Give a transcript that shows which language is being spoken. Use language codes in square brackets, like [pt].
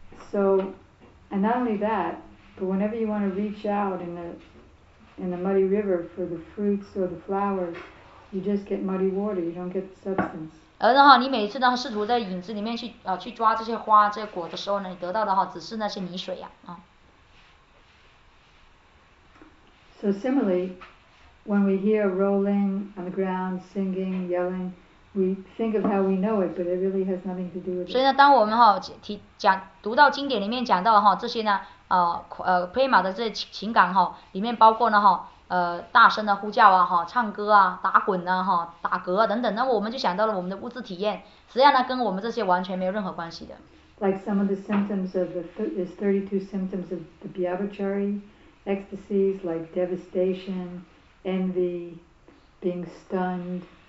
[en] So, and not only that, but whenever you want to reach out in the muddy river for the fruits or the flowers, you just get muddy water. You don't get the substance. [zh] 而然后你每次呢试图在影子里面去抓这些花这些果的时候呢，你得到的哈只是那些泥水呀 [en] So similarly, when we hear rolling on the ground, singing, yelling, we think of how we know it, but it really has nothing to do with it. [zh] 所以呢，当我们哈读到经典里面讲到哈这些呢prema 的这些情感哈，里面包括呢哈。大声的呼叫啊，哈，唱歌啊，打滚啊，哈，打嗝啊，等等，那我们就想到了我们的物质体验，实际上呢，跟我们这些完全没有任何关系的。 [en] Like some of the symptoms of the 32 symptoms of the Vyabhachari ecstasies, like devastation, envy, being stunned.